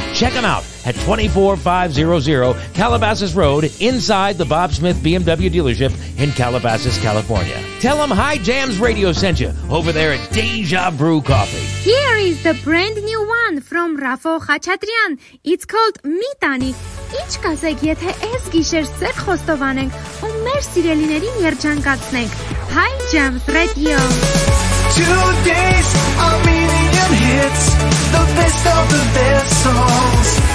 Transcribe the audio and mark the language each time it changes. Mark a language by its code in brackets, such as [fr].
[en] Check them out at 24500 Calabasas Road inside the Bob Smith BMW dealership in Calabasas, California. Tell them Hye Jams Radio sent you over there at Deja Brew Coffee. Here is the brand new one from Rafo Khachatryan. It's called Mitani. [hy] Ինչ կասեք, եթե այս գիշեր սեր խոստովանենք ու մեր սիրելիներին երջանկացնենք Hye Jams Radio. [en] Today's Armenian hits, the best of the best songs.